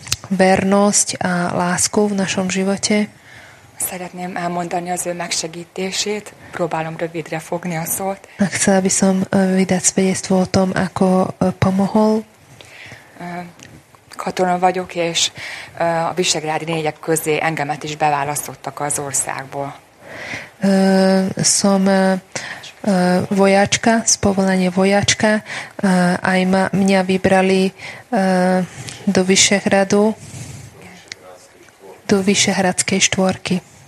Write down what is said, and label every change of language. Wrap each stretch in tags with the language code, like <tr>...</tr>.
<sk>vernosť a lásku v našom živote.</sk> <hu>Szeretném elmondani az ő megsegítését. Próbálom rövidre fogni a szót.</hu> <sk>Chcela by som vydať svedectvo o tom, ako pomohol.</sk> <hu>Katona vagyok, és a visegrádi négyek közé engemet is beválasztottak az országból.</hu> <sk>Som vojačka, z povolania vojačka. Aj mňa vybrali do Vyšehradu, do Vyšehradskej štvorky.</sk>